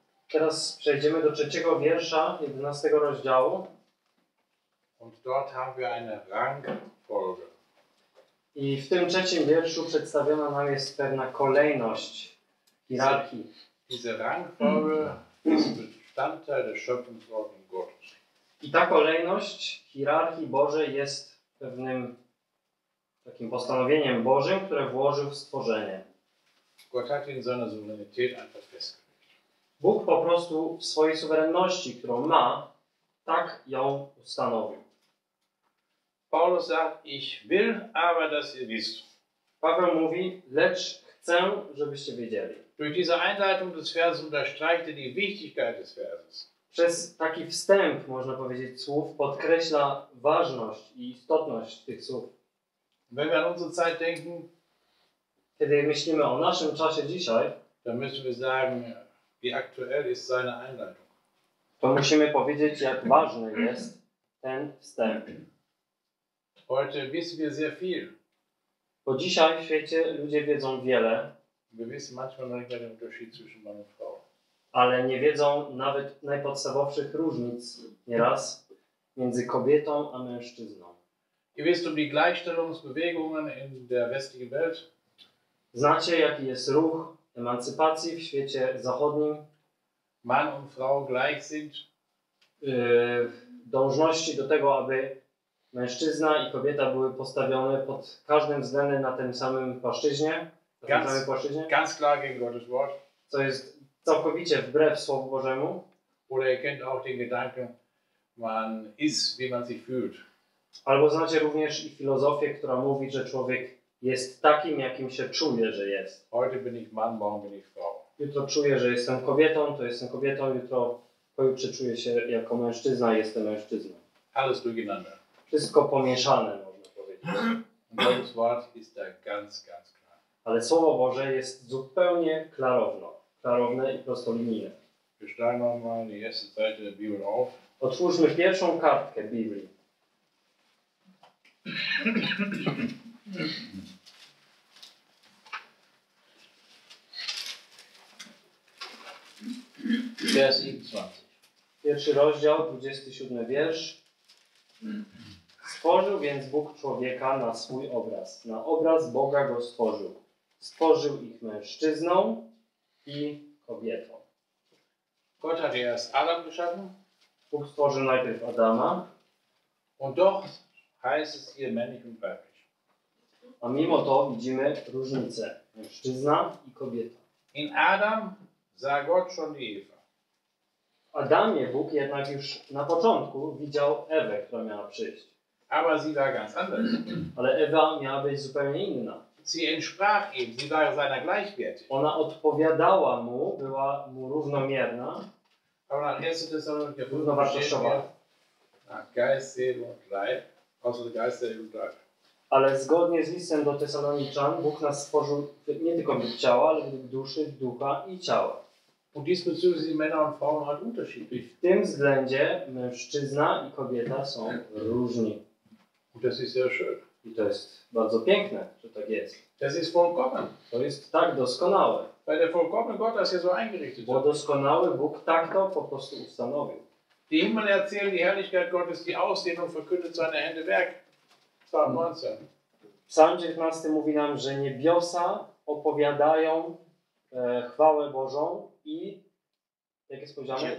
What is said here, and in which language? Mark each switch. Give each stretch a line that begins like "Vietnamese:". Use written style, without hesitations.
Polish: Teraz przejdziemy do trzeciego wiersza 11 rozdziału.
German: Und dort haben wir eine Rangfolge.
Polish: I w tym trzecim wierszu przedstawiona nam jest pewna kolejność hierarchii.
German: Diese Rangfolge ist Bestandteil der Schöpfungsordnung Gottes.
Polish: I ta kolejność hierarchii Bożej jest pewnym takim postanowieniem Bożym, które włożył w stworzenie.
German: Gott hat in seiner Souveränität einfach festgelegt.
Polish: Bóg po prostu w swojej suwerenności, którą ma, tak ją ustanowił.
German: Paulus sagt, ich will, aber dass ihr wisst.
Polish: Paweł mówi, lecz chcę, żebyście wiedzieli.
German: Durch diese Einleitung des Verses unterstreicht die Wichtigkeit des Verses.
Polish: Przez taki wstęp, można powiedzieć, słów podkreśla ważność i istotność tych słów.
German: Wenn wir an unsere Zeit denken,
Polish: kiedy myślimy o naszym czasie dzisiaj,
German: dann müssen wir sagen, wie aktuell ist seine Einleitung.
Polish: To musimy powiedzieć, jak ważny jest ten wstęp.
German: Heute wissen wir sehr viel.
Polish: Bo dzisiaj w świecie ludzie wiedzą wiele.
German: Wir wissen manchmal nicht mehr den Unterschied zwischen Mann und Frau.
Polish: Ale nie wiedzą nawet najpodstawowszych różnic nieraz między kobietą a mężczyzną.
German: Ihr wisst um die Gleichstellungsbewegungen in der westlichen Welt.
Polish: Znacie, jaki jest ruch emancypacji w świecie zachodnim.
German: Mann und Frau gleich sind.
Polish: Dążności do tego, aby mężczyzna i kobieta były postawione pod każdym względem na tym samym płaszczyźnie.
German: Ganz klar gegen Gottes Wort.
Polish: Co jest całkowicie wbrew Słowu Bożemu.
German: Oder ihr kennt auch den Gedanken, man ist, wie man sich fühlt.
Polish: Albo znacie również i filozofię, która mówi, że człowiek jest takim, jakim się czuje, że jest.
German: Heute bin ich Mann, morgen bin ich Frau.
Polish: Jutro czuję, że jestem kobietą, to jestem kobietą, jutro pojutrze czuję się jako mężczyzna, jestem mężczyzną.
German: Alles durcheinander.
Polish: Wszystko pomieszane, można powiedzieć.
German: Gottes Wort ist da ganz, ganz klar.
Polish: Ale Słowo Boże jest zupełnie klarowne i prostolinijne.
German: Wir schlagen nochmal die erste Seite der Bibel auf.
Polish: Otwórzmy pierwszą kartkę Biblii.
German: Vers 27.
Polish: Pierwszy rozdział, 27 wiersz. Stworzył więc Bóg człowieka na swój obraz. Na obraz Boga go stworzył. Stworzył ich mężczyzną i kobietą.
German: Gott hat erst Adam geschaffen.
Polish: Bóg stworzył najpierw Adama.
German: Und doch heißt es hier männlich und weiblich.
Polish: A mimo to widzimy różnicę. Mężczyzna i kobieta.
German: In Adam sah Gott schon die Eva.
Polish: Adamie Bóg jednak już na początku widział Ewę, która miała przyjść.
German: Aber sie war ganz anders.
Polish: Ale Ewa miała być zupełnie inna.
German: Sie entsprach ihm, sie war seiner gleichwertig.
Polish: Ona odpowiadała mu, była mu równomierna.
German: Aber nach 1.
Polish: Thessalonicher 5 równowartościowa.
German: Geist, Seele und Leib, außer der Geist der Jugend.
Polish: Ale zgodnie z listem do Tesaloniczan, Bóg nas stworzył nie tylko w ciała, ale w duszy, ducha i ciała.
German: Und diesbezüglich sind Männer und Frauen halt unterschiedlich.
Polish: W tym względzie mężczyzna i kobieta są różni.
German: Und das ist sehr schön.
Polish: I to jest bardzo piękne, że tak jest.
German: Das ist vollkommen.
Polish: To jest tak doskonałe.
German: Weil der vollkommene Gott das hier so eingerichtet hat.
Polish: Bo doskonały Bóg tak to po prostu ustanowił.
German: Die Himmel erzählen die Herrlichkeit Gottes, die Ausdehnung verkündet seine Hände Werk. Psalm 19.
Polish: Psalm 19 mówi nam, że niebiosa opowiadają chwałę Bożą i, jak jest powiedziane,